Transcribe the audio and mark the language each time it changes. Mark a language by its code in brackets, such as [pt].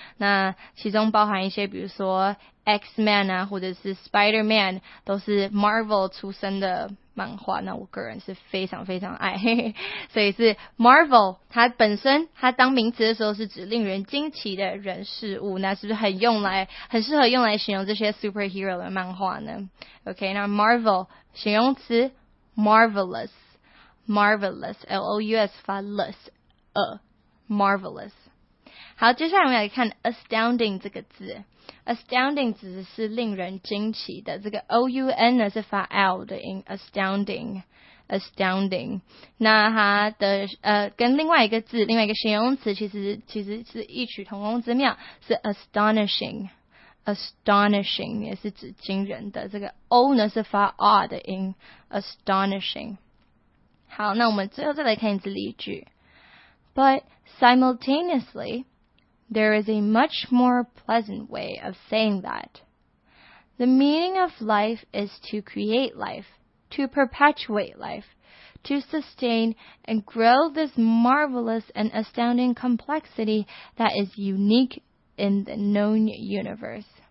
[zh] 那其中包含一些比如说 X-Men 啊，或者是 Spider-Man， 都是 Marvel 出身的漫画，那我个人是非常非常爱，所以是 Marvel， 它本身它当名词的时候是指令人惊奇的人事物，那是不是很适合用来形容这些 superhero 的漫画呢？ [en] OK， 那 Marvel [zh] 形容词 [en] marvelous， marvelous， L O U S 发 less， marvelous。 [zh] 好，接下来我们来看 astounding 这个字。astounding 指的是令人惊奇的，这个 O-U-N 呢是发 L 的音， astounding， astounding。那它的跟另外一个字，另外一个形容词其实是异曲同工之妙，是 astonishing， astonishing 也是指惊人的，这个 O 呢是发 R 的音， astonishing。好，那我们最后再来看一次例句。 [en] But simultaneouslyThere is a much more pleasant way of saying that. The meaning of life is to create life, to perpetuate life, to sustain and grow this marvelous and astounding complexity that is unique in the known universe.